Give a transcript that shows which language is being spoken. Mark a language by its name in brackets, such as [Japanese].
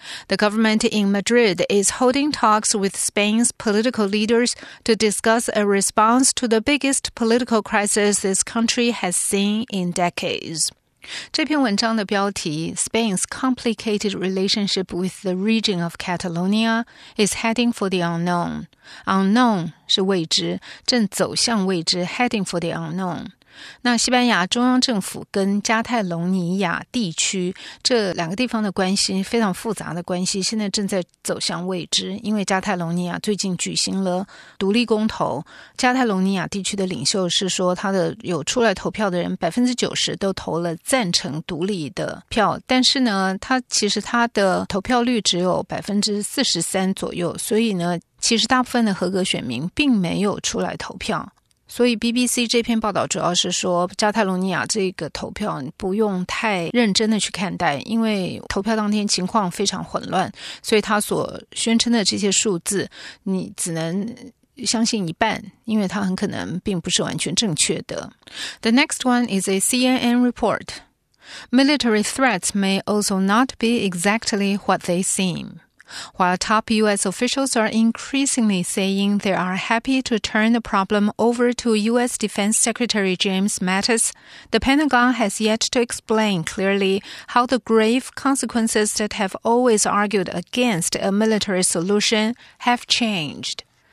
[English] The government in Madrid is holding talks with Spain's political leaders to discuss a response to the biggest political crisis this country has seen in decades. 这篇文章的标题 Spain's complicated relationship with the region of Catalonia is heading for the unknown. [Chinese] Unknown 是未知，正走向未知 heading for the unknown. 那西班牙中央政府跟加泰隆尼亚地区这两个地方的关系非常复杂的关系现在正在走向未知因为加泰隆尼亚最近举行了独立公投加泰隆尼亚地区的领袖是说他的有出来投票的人 90% 都投了赞成独立的票但是呢他的投票率只有 43% 左右所以呢其实大部分的合格选民并没有出来投票所以 BBC 这篇报道主要是说加泰罗尼亚这个投票不用太认真的去看待因为投票当天情况非常混乱所以他所宣称的这些数字你只能相信一半因为他很可能并不是完全正确的 The next one is a CNN report [English] Military threats may also not be exactly what they seem. While top U.S. officials are increasingly saying they are happy to turn the problem over to U.S. Defense Secretary James Mattis, the Pentagon has yet to explain clearly how the grave consequences that have always argued against a military solution have changed.